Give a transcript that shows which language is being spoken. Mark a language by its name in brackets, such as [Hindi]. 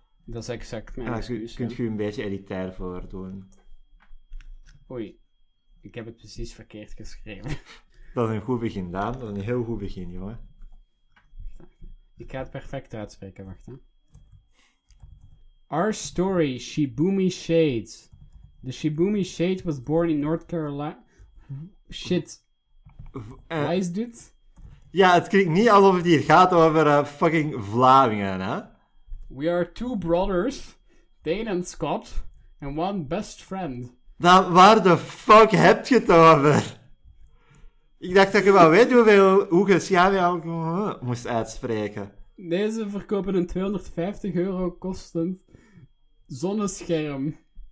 [Dutch] Dat is exact mijn excuus. Kun je een beetje elitair voor doen. Oei. Ik heb het precies verkeerd geschreven. Dat is een goed begin, Daan. Dat is een heel goed begin, jongen. Ik ga het perfect uitspreken, wacht. Hè. [English] Our story, Shibumi Shade. The Shibumi Shade was born in North Carolina... [Dutch] Shit. Why is dit? Ja, het klinkt niet alsof het hier gaat over fucking Vlamingen, hè. [English] We are two brothers, Dane and Scott, and one best friend. [Dutch] Dan, waar de fuck heb je het over? Ik dacht dat je wel weet hoe je Shami al moest uitspreken. Deze verkopen een 250 euro kostend zonnescherm.